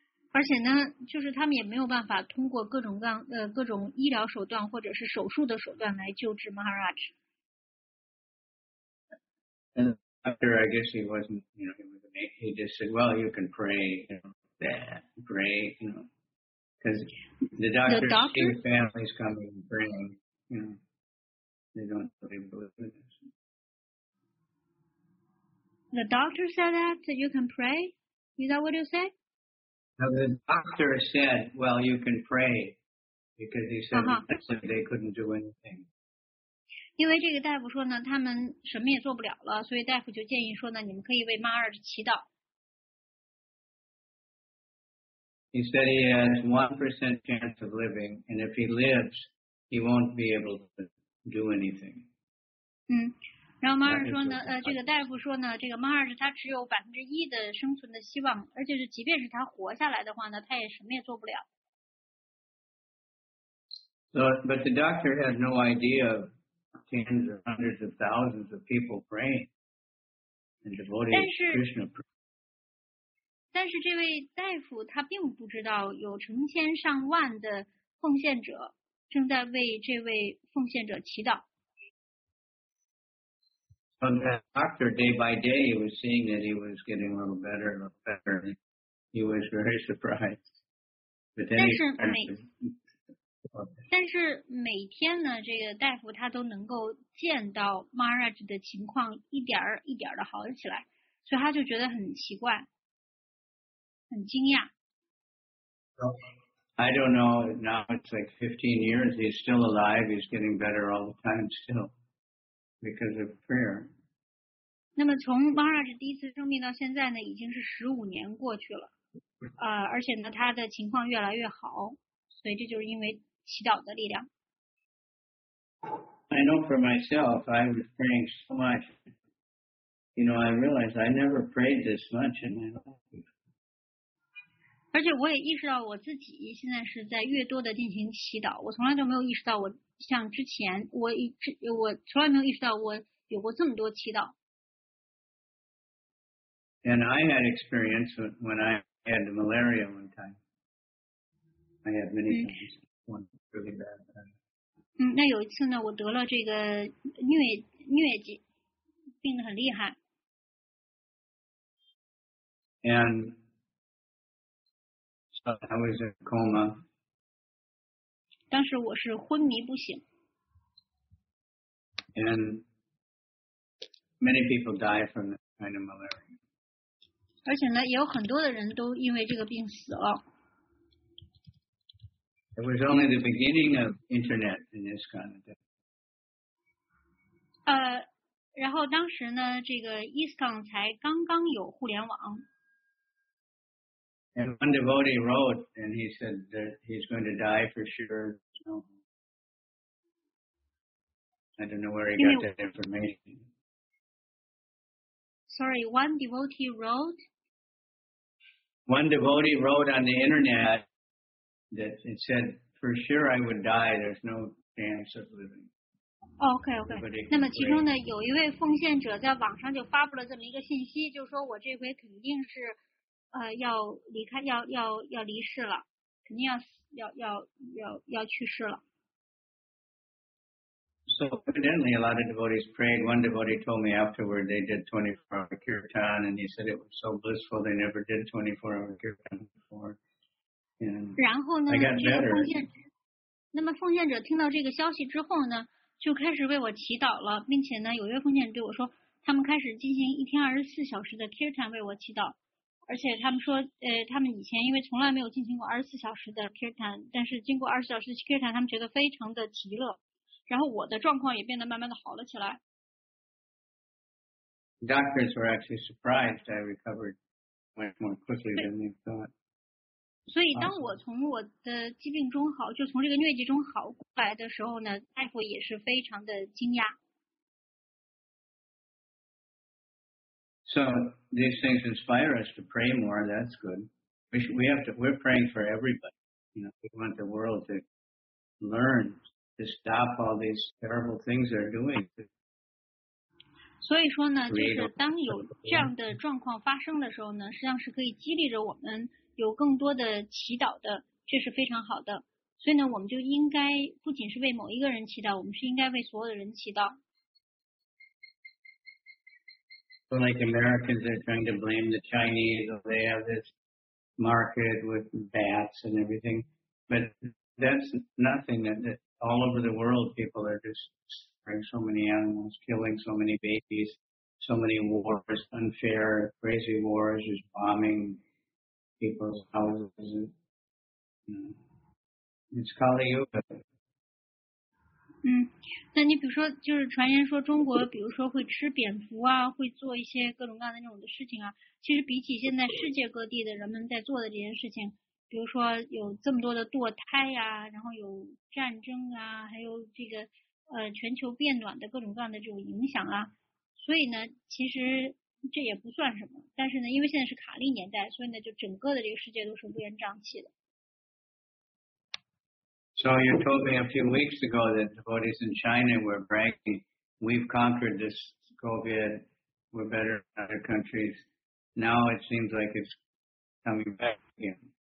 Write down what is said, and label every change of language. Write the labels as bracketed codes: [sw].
[zh] 而且呢，就是他们也没有办法通过各种各样各种医疗手段或者是手术的手段来救治 Maharaj. [en] And after, I guess he wasn't, you know, he just said, "Well, you can pray, you know, that pray, you know." Because the doctor see families coming and praying, you know, they don't really believe in this. The doctor said that you can pray? Is that what you say? No, the doctor said, well, you can pray, because he said, said they couldn't do anything. [zh] 因为这个大夫说呢，他们什么也做不了了，所以大夫就建议说呢，你们可以为妈儿祈祷。 [en] He said he has 1% chance of living, and if he lives, he won't be able to do anything. 嗯， [zh] 然后马尔说呢，这个大夫说呢，这个马尔他只有1%的生存的希望，而且是即便是他活下来的话呢，他也什么也做不了。 [en] But the doctor had no idea of tens of hundreds of thousands of people praying and devoted Krishna prayer. [zh] 但是这位大夫他并不知道有成千上万的奉献者正在为这位奉献者祈祷。 [en] So the doctor day by day was seeing that he was getting a little better and better. He was very surprised. But then he started to... [zh] 但是每天呢，这个大夫他都能够见到 Maharaj 的情况一点儿一点儿的好起来，所以他就觉得很奇怪，很惊讶。 [en] I don't know. Now it's like 15 years. He's still alive. He's getting better all the time still because of prayer. [zh] 那么从 Maharaj 第一次生病到现在呢，已经是15年过去了，而且呢，他的情况越来越好。所以这就是因为祈祷的力量。 [en] I know for myself, I was praying so much. You know, I realized I never prayed this much in my life. [zh] 而且我也意识到我自己现在是在越多的进行祈祷，我从来都没有意识到我像之前，我从来没有意识到我有过这么多祈祷。 [en] And I had experience when I had malaria one time. I have many times, one really bad. [zh] 那有一次呢，我得了这个疟疾，病得很厉害。 [en] And so I was in a coma. [zh] 当时我是昏迷不醒。 [en] And many people die from that kind of malaria. [zh] 而且呢，也有很多的人都因为这个病死了。 [en] It was only the beginning of internet in this kind of thing. [zh] 然后当时呢，这个 ISKCON 才刚刚有互联网。 [en] And one devotee wrote, and he said that he's going to die for sure. So, I don't know where he got that information. Sorry, one devotee wrote? One devotee wrote on the internet. That it said, for sure I would die, there's no chance of living. Okay, okay. [zh] 那么其中呢，有一位奉献者在网上就发布了这么一个信息，就是说我这回肯定是要离开，要离世了，肯定要死，要去世了。 [en] So evidently a lot of devotees prayed. One devotee told me afterward they did 24-hour kirtan, and he said it was so blissful they never did 24-hour kirtan before. [zh] 然后呢，这个奉献者，那么奉献者听到这个消息之后呢，就开始为我祈祷了，并且呢，有一位奉献者对我说，他们开始进行1天24小时的 kirtan 为我祈祷，而且他们说，他们以前因为从来没有进行过24小时的 kirtan， 但是经过24小时的 kirtan， 他们觉得非常的极乐，然后我的状况也变得慢慢的好了起来。 [en] Doctors were actually surprised I recovered much more quickly than they thought. [zh] 所以当我从我的疾病中好，就从这个疟疾中好过来的时候呢，大夫也是非常的惊讶。 [en] So these things inspire us to pray more. That's good. We're praying for everybody. You know, we want the world to learn to stop all these terrible things they're doing. [zh] 所以说呢，就是当有这样的状况发生的时候呢，实际上是可以激励着我们。有更多的祈祷的，这是非常好的。所以呢，我们就应该不仅是为某一个人祈祷，我们是应该为所有的人祈祷。 [en] Like Americans are trying to blame the Chinese, they have this market with bats and everything, but that's nothing. That all over the world, people are just suffering so many animals, killing so many babies, so many wars, unfair, crazy wars, just bombing. People's houses. It's Kali Yuga. [zh] 那你比如说，就是传言说中国，比如说会吃蝙蝠啊，会做一些各种各样的那种的事情啊。其实比起现在世界各地的人们在做的这件事情，比如说有这么多的堕胎呀、啊，然后有战争啊，还有这个全球变暖的各种各样的这种影响啊，所以呢，其实这也不算什么。但是呢，因为现在是卡利年代，所以呢，就整个的这个世界都是乌烟瘴气的。 [en] So you told me a few weeks ago that devotees in China were bragging, "We've conquered this COVID. We're better than other countries." Now it seems like it's coming back again.